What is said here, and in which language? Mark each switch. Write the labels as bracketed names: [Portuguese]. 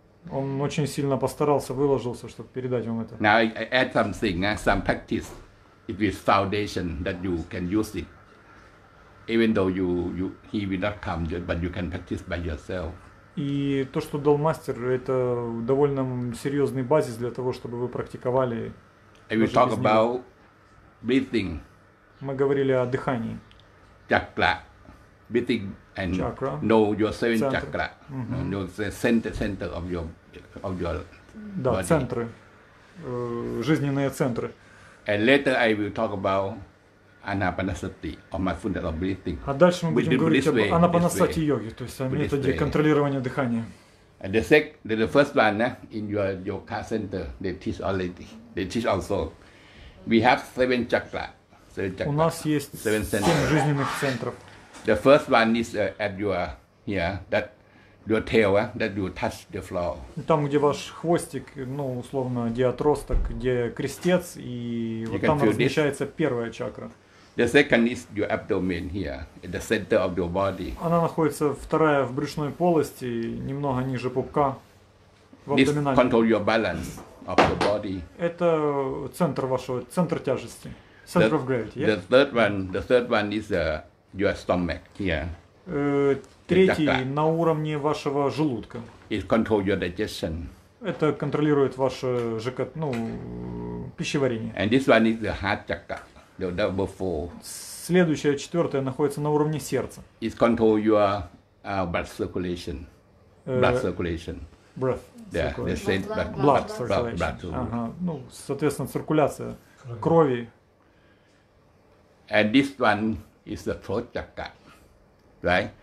[Russian] Он очень сильно постарался, выложился, чтобы передать вам это. [English] Now I add something, some practice. It is foundation that you can use it. Even though he will not come, but you can practice by yourself. [Russian] И то, что дал мастер, это довольно серьезный базис для того, чтобы вы практиковали. [English] And we talk about breathing. [Russian] Мы говорили о дыхании. [English] Chakra. Breathing and chakra. Know your 7 chakra. Know the center of your body. [Russian] Да, центры. Жизненные центры. [English] And later I will talk about Анапанасати, or mindfulness of breathing. [Russian] А дальше мы будем говорить об анапанасати йоге, то есть о методе контролирования дыхания. [English] And the first one, in your yoga center, they teach already. They teach also. We have 7 chakras. [Russian] У нас есть 7 жизненных центров. [English] The first one is at your here, that your tail, that you touch the floor. [Russian] Там, где ваш хвостик, условно, где отросток, где крестец, и вот там размещается первая чакра. [English] The second is your abdomen here, at the center of your body. [Russian] Она находится вторая в брюшной полости, немного ниже пупка. [English] This control your balance of your body. [Russian] Это центр вашего, центр тяжести, [English] center of gravity. Yeah? The third one is your stomach here. [Russian] Третий на уровне вашего желудка. [English] It control your digestion. [Russian] Это контролирует ваше ЖКТ, пищеварение. [English] And this one is the heart chakra. Number 4. [Russian] Следующая, четвертая, находится на уровне сердца. [English] It control your blood circulation. Blood circulation. Breath. Yeah, circulation. Blood circulation. Ага. [Russian] Соответственно, циркуляция крови. [English] And this one is the throat chakra. Right?